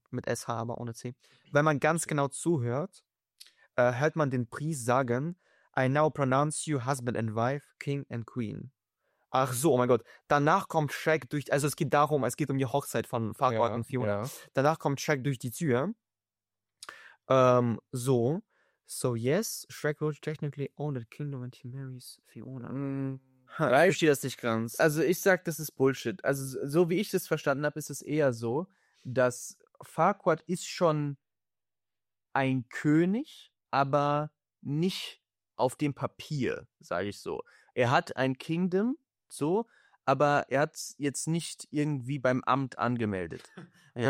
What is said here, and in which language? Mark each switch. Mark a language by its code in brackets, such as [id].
[de] Mit SH, aber ohne C. Wenn man ganz genau zuhört, hört man den Priest sagen, [en] I now pronounce you husband and wife, king and queen. [de] Ach so, oh mein Gott. Danach kommt Shrek durch, also es geht um die Hochzeit von Farquaad und Fiona. Ja. Danach kommt Shrek durch die Tür. [en] So yes, Shrek will technically own the kingdom and he marries Fiona. [de] Ich verstehe das nicht ganz. Also ich sag, das ist Bullshit. Also so wie ich das verstanden habe, ist es eher so, dass Farquaad ist schon ein König, aber nicht auf dem Papier, sage ich so. Er hat ein Kingdom, so, aber er hat es jetzt nicht irgendwie beim Amt angemeldet. Ja.